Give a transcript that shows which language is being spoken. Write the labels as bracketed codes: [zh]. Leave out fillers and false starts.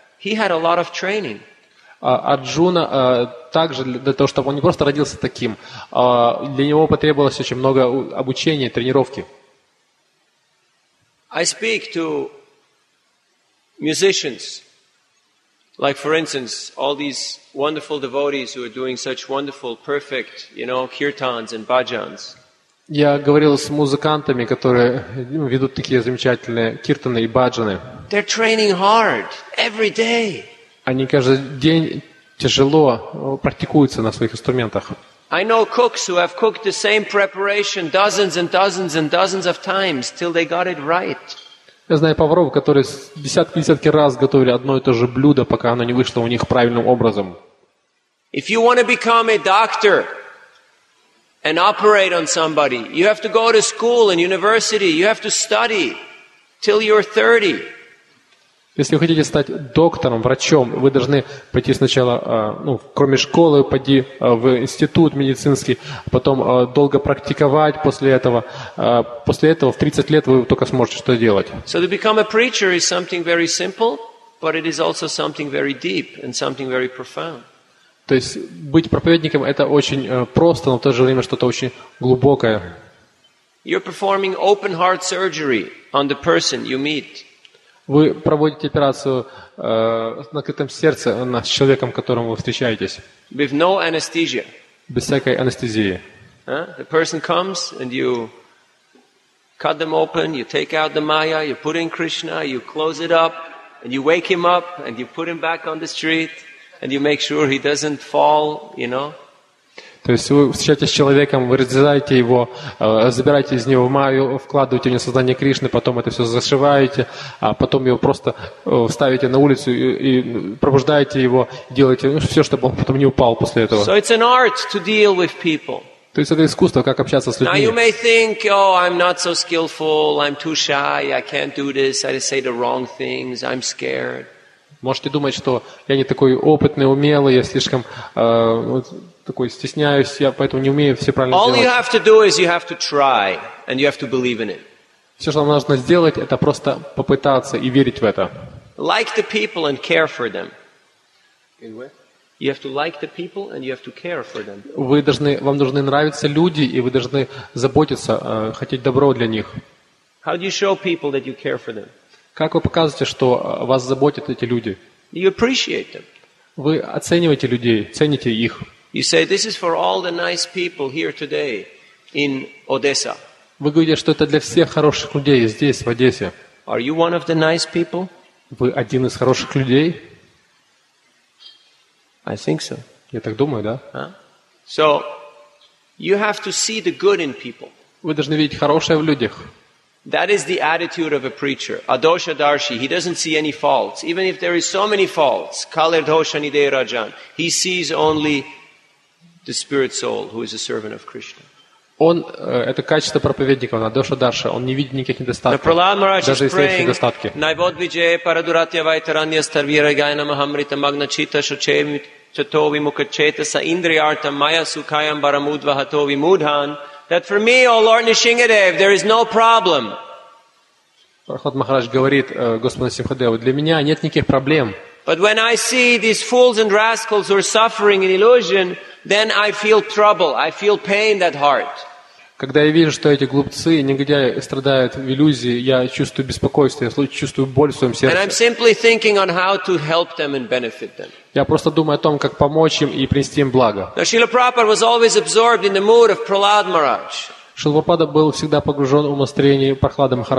[en] He had a lot of training. [ru] Арджуна также для того, чтобы он не просто родился таким, для него потребовалось очень много обучения, тренировки. [en] I speak to musicians, like for instance, all these wonderful devotees who are doing such wonderful, perfect, kirtans and bhajans. [ru] Я говорил с музыкантами, которые ведут такие замечательные киртаны и баджаны. [en] They're training hard every day. [ru] Они каждый день тяжело практикуются на своих инструментах. [en] I know cooks who have cooked the same preparation dozens and dozens and dozens of times till they got it right. [ru] Я знаю поваров, которые десятки раз готовили одно и то же блюдо, пока оно не вышло у них правильным образом. [en] If you want to become a doctor and operate on somebody, you have to go to school and university, you have to study till you're 30. [ru] Если вы хотите стать доктором, врачом, вы должны пойти сначала, кроме школы, пойти в институт медицинский, потом долго практиковать после этого. После этого в 30 лет вы только сможете что делать. [en] So to become a preacher is something very simple, but it is also something very deep and something very profound. [ru] То есть быть проповедником – это очень просто, но в то же время что-то очень глубокое. [en] You're performing open heart surgery on the person you meet. [ru] Вы проводите операцию с открытым сердцем на человеком, с которым вы встречаетесь. [en] With no anesthesia. [ru] Без всякой анестезии. [en] The person comes and you cut them open, you take out the maya, you put in Krishna, you close it up, and you wake him up, and you put him back on the street, and you make sure he doesn't fall, [ru] То есть вы встречаетесь с человеком, вы разрезаете его, забираете из него майю, вкладываете в него сознание Кришны, потом это все зашиваете, а потом его просто ставите на улицу и пробуждаете его, делаете все, чтобы он потом не упал после этого. [en] So it's an art to deal with people. [ru] То есть это искусство, как общаться с людьми. [en] Now you may think, oh, I'm not so skillful, I'm too shy, I can't do this, I just say the wrong things, I'm scared. [ru] Можете думать, что я не такой опытный, умелый, я слишком такой стесняюсь, я поэтому не умею все правильно [en] All [ru] делать. [en] You have to do is you have to try and you have to believe in it. [ru] Все, что нужно сделать, это просто попытаться и верить в это. [en] Like the people and care for them. You have to like the people and you have to care for them. [ru] Вам должны нравиться люди, и вы должны заботиться, хотеть добро для них. [en] How do you show people that you care for them? [ru] Как вы показываете, что вас заботят эти люди? [en] You appreciate them. [ru] Вы оцениваете людей, цените их. [en] You say this is for all the nice people here today in Odessa. [ru] Вы говорите, что это для всех хороших людей здесь, в Одессе. [en] Are you one of the nice people? [ru] Вы один из хороших людей? [en] I think so. [ru] Я так думаю, да? [en] So you have to see the good in people. [ru] Вы должны видеть хорошее в людях. [en] That is the attitude of a preacher. Adosha Darshi, he doesn't see any faults. Even if there is so many faults, [sa] Kaler Dosha Nidei Rajan, [en] he sees only the spirit soul who is a servant of Krishna. [ru] Он, это качество проповедника, он Адоша Дарша, он не видит никаких недостатков, даже если есть недостатки. [sa] Найводвиджея Парадуратья Вайтаранья Старвира Гайна Махамрита Магна Чита Шучеми Чатови Мукачета Са Индриарта Майя Сукаям Барамудва Хатови Мудхан. [en] That for me, O Lord Nrisingadev, there is no problem. [ru] Прабхупад Махарадж говорит Господу Симхадеву: для меня нет никаких проблем. [en] But when I see these fools and rascals who are suffering in illusion, then I feel trouble, I feel pain at heart. [ru] Когда я вижу, что эти глупцы и негодяи страдают в иллюзии, я чувствую беспокойство, я чувствую боль в своем сердце. [en] And I'm simply thinking on how to help them and benefit them. [ru] Я просто думаю о том, как помочь им и принести им благо. [en] Now, Srila Prabhupada was always absorbed in the mood of Prahlad Maharaj. [ru] Шрила Прабхупада был всегда погружен в умонастроение Прахлады